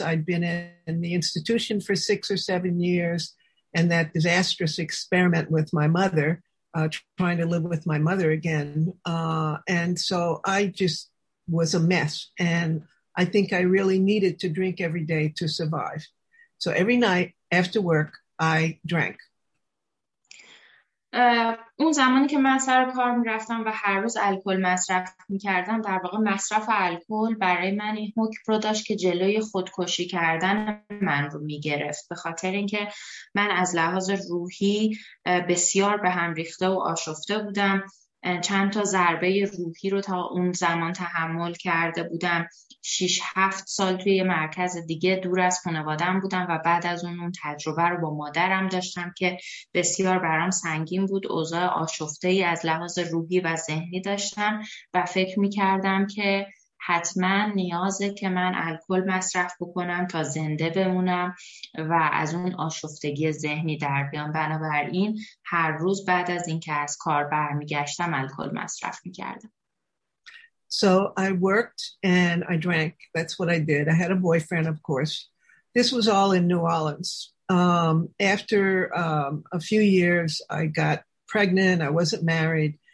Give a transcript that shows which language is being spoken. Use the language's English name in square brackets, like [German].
[English] I'd been in the institution for 6 or 7 years, and that disastrous experiment with my mother, trying to live with my mother again. And so I just was a mess. And I think I really needed to drink every day to survive. So every night after work, I drank. [Persian] اون زمانی که من سر کار می‌رفتم و هر روز الکل مصرف می‌کردم، در واقع مصرف الکل برای من این حکم رو داشت که جلوی خودکشی کردن من رو می‌گرفت، به خاطر اینکه من از لحاظ روحی بسیار به هم ریخته و آشفته بودم. چند تا ضربه روحی رو تا اون زمان تحمل کرده بودم. 6-7 سال توی یه مرکز دیگه دور از خانواده‌ام بودم و بعد از اون تجربه رو با مادرم داشتم که بسیار برام سنگین بود. اوضاع آشفته‌ای از لحاظ روحی و ذهنی داشتم و فکر می‌کردم که حتما نیازه که من الکل مصرف بکنم تا زنده بمونم و از اون آشفتگی ذهنی در بیام. بنابراین هر روز بعد از اینکه از کار برمیگشتم الکل مصرف میکردم. [English] So I worked and I drank. That's what I did. I had a boyfriend, of course. This was all in New Orleans. After a few years, I got pregnant. I wasn't married.